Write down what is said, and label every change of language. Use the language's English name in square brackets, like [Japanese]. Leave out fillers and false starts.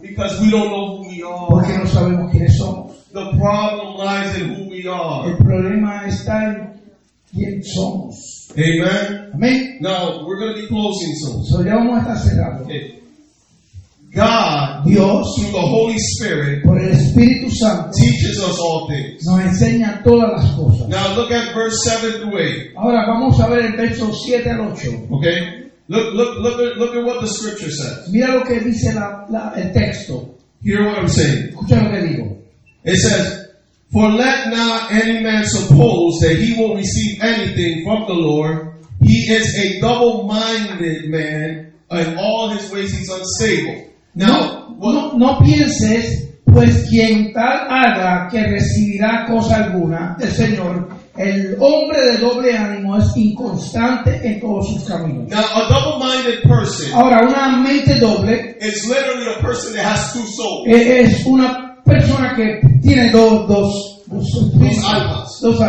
[English] Because we don't know who we are. [Spanish] Porque no sabemos quiénes somos. [English] The problem lies in who we are. [Spanish] El problema está en quién somos. Amen. Amen. [English] Now, we're going to be closing soon. [Spanish] So ya vamos a estar cerrando. [English] Okay. God, [Spanish] Dios, [English] through the Holy Spirit, [Spanish] por el Espíritu Santo, [English] teaches us all things. [Spanish] Nos enseña todas las cosas. [English] Now look at verse 7 through 8. [Spanish] Ahora vamos a ver el verso 7 al 8. [English] Okay? Look at what the scripture says. [Spanish] Mira lo que dice el texto. [English] Hear what I'm saying. [Spanish] Escucha lo que digo. [English] It says, "For let not any man suppose that he will receive anything from the Lord. He is a double-minded man, and all his ways he's unstable." Now, [Spanish] no pienses, pues quien tal haga que recibirá cosa alguna del Señor, el hombre de doble ánimo es inconstante en todos sus caminos. [English] Now, a double-minded person, [Spanish] ahora, una mente doble, [English] is literally a person that has two souls. [Spanish] Es una persona que tiene dos almas.